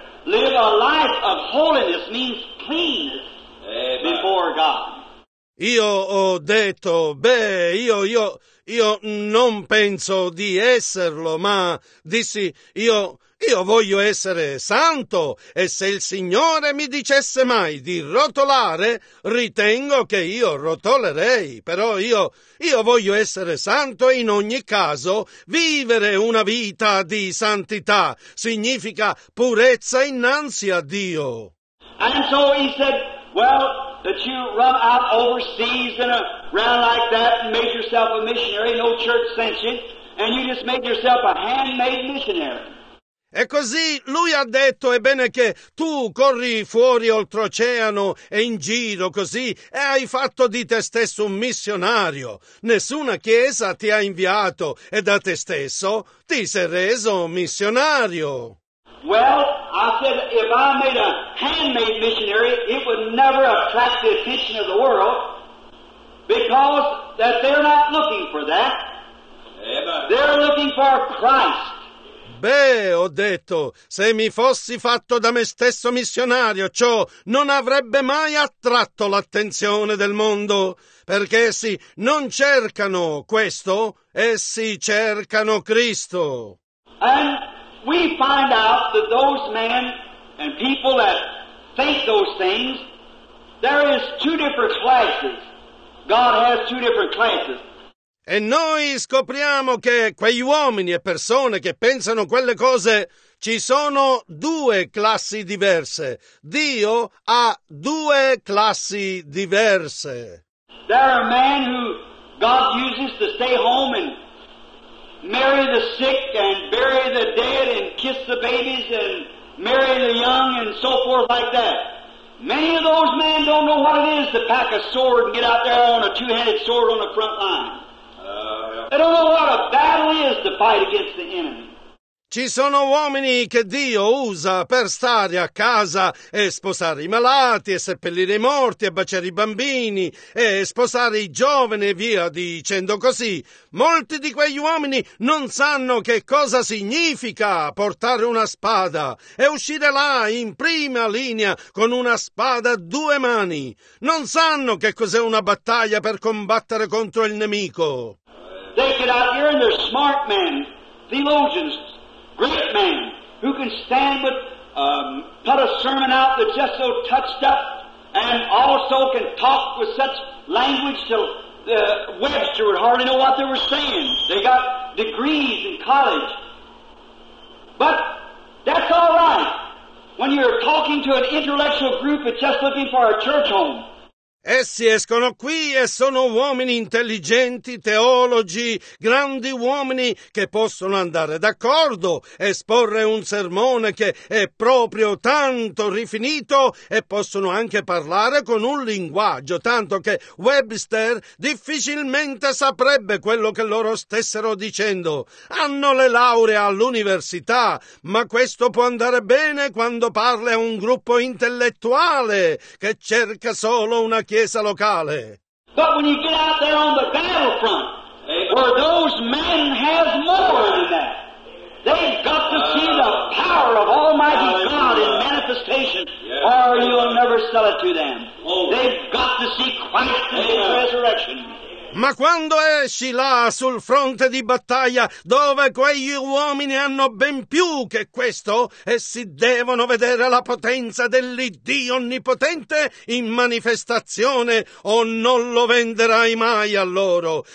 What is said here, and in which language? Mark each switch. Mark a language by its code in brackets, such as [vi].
[en] Live a life of holiness means cleanness before God. [it] Io ho detto, io non penso di esserlo, ma dissi, io voglio essere santo, e se il Signore mi dicesse mai di rotolare, ritengo che io rotolerei, però io voglio essere santo, e in ogni caso vivere una vita di santità significa purezza innanzi a Dio. [en] And so he said, well, that you run out overseas and around like that and made yourself a missionary, no church sent you, and you just made yourself a handmade missionary. [it] E così lui ha detto, ebbene che tu corri fuori oltreoceano e in giro così e hai fatto di te stesso un missionario. Nessuna chiesa ti ha inviato e da te stesso ti sei reso missionario. [en] Well, I said, if I made a handmade missionary, it would never attract the attention of the world because that they're not looking for that. They're looking for Christ. [it] Beh, ho detto, se mi fossi fatto da me stesso missionario, ciò non avrebbe mai attratto l'attenzione del mondo, perché essi non cercano questo, essi cercano Cristo. [en] And we find out that those men and people that think those things, there is two different classes. God has two different classes. [it] E noi scopriamo che quegli uomini e persone che pensano quelle cose, ci sono due classi diverse. Dio ha due classi diverse. [en] There are men who God uses to stay home and marry the sick and bury the dead and kiss the babies and marry the young and so forth like that. Many of those men don't know what it is to pack a sword and get out there on a two-handed sword on the front line. They don't know what a battle is to fight against the enemy. [it] Ci sono uomini che Dio usa per stare a casa e sposare i malati e seppellire i morti e baciare i bambini e sposare i giovani e via dicendo così. Molti di quegli uomini non sanno che cosa significa portare una spada e uscire là in prima linea con una spada a due mani. Non sanno che cos'è una battaglia per combattere contro il nemico. [en] They get out here and they're smart men, theologians, great men, who can stand with, put a sermon out that's just so touched up, and also can talk with such language till Webster would hardly know what they were saying. They got degrees in college. But that's all right. When you're talking to an intellectual group that's just looking for a church home, [it] essi escono qui e sono uomini intelligenti, teologi, grandi uomini che possono andare d'accordo, esporre un sermone che è proprio tanto rifinito e possono anche parlare con un linguaggio, tanto che Webster difficilmente saprebbe quello che loro stessero dicendo. Hanno le lauree all'università, ma questo può andare bene quando parli a un gruppo intellettuale che cerca solo una chiesa. Locale. [en] But when you get out there on the battlefront, where those men have more than that, they've got to see the power of Almighty God in manifestation, or you'll never sell it to them. They've got to see Christ in His resurrection. [it] Ma quando esci là sul fronte di battaglia, dove quegli uomini hanno ben più che questo, essi devono vedere la potenza dell'Iddio onnipotente in manifestazione, o non lo venderai mai a loro.